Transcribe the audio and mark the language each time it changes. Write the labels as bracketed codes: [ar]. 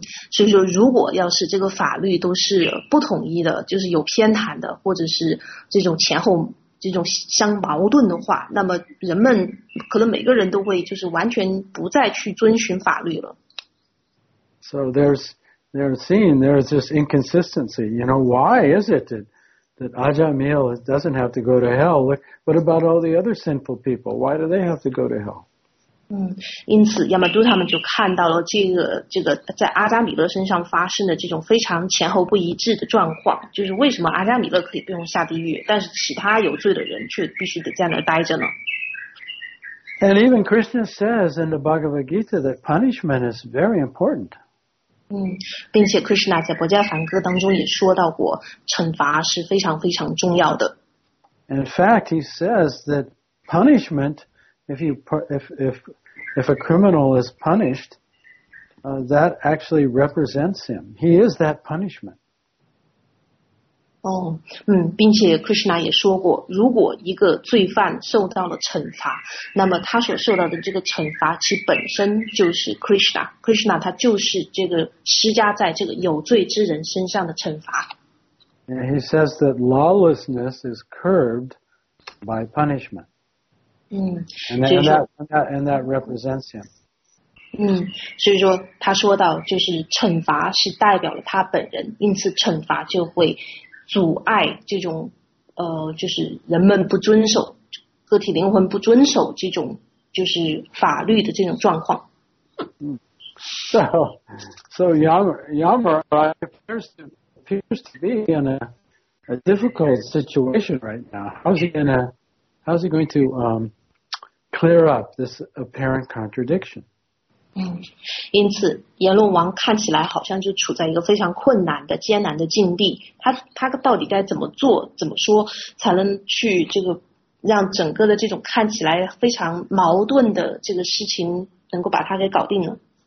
[zh] 所以说，如果要是这个法律都是不统一的，就是有偏袒的，或者是这种前后这种相矛盾的话，那么人们可能每个人都会就是完全不再去遵循法律了。 [en] So there's this inconsistency. You know, why is it that Ajamil doesn't have to go to hell. Look, what about all the other sinful people? Why do they have to go to hell? [zh] 因此亚马都他们就看到了这个在阿扎米勒身上发生的这种非常前后不一致的状况，就是为什么阿扎米勒可以不用下地狱，但是其他有罪的人却必须得在那儿待着呢。 [en] And even Krishna says in the Bhagavad Gita that punishment is very important. [zh] 并且 Krishna 在博迦梵歌当中也说到过，惩罚是非常非常重要的。 [en] In fact, he says that punishment, if a criminal is punished, that actually represents him. He is that punishment. [zh] 并且 Krishna 也说过，如果一个罪犯受到了惩罚，那么他所受到的这个惩罚，其本身就是 Krishna。 Krishna 他就是这个施加在这个有罪之人身上的惩罚。 [en] And he says that lawlessness is curbed by punishment. And that represents him. [zh] 所以说他说到，就是惩罚是代表了他本人，因此惩罚就会。阻碍这种就是人们不遵守，个体灵魂不遵守这种就是法律的这种状况。 [en] So Yamaraj appears to be in a difficult situation right now. How's he going to clear up this apparent contradiction? [zh] 因此阎罗王看起来好像就处在一个非常困难的艰难的境地，他到底该怎么做怎么说才能去这个让整个的这种看起来非常矛盾的这个事情能够把它给搞定呢？